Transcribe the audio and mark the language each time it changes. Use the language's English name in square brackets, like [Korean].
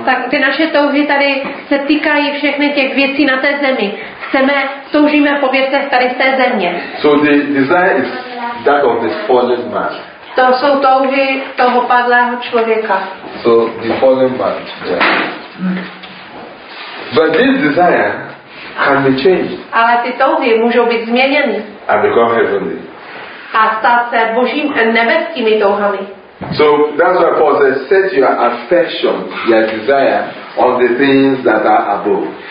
[Czech] Ty naše touhy tady se týkají všechny těch věcí na té zemi. Chceme, toužíme po věcech tady z té země. [English] So the desire is that of the fallen man. [Czech] To jsou touhy toho padlého člověka. [English] So the fallen man, yeah. But this desire can be changed. [Czech] Ale ty touhy můžou být změněny. [English] And become heavenly. [Czech] A stát se božím nebeskými touhami. [English] So that's why Paul says, set your affection, your desire on the things that are above.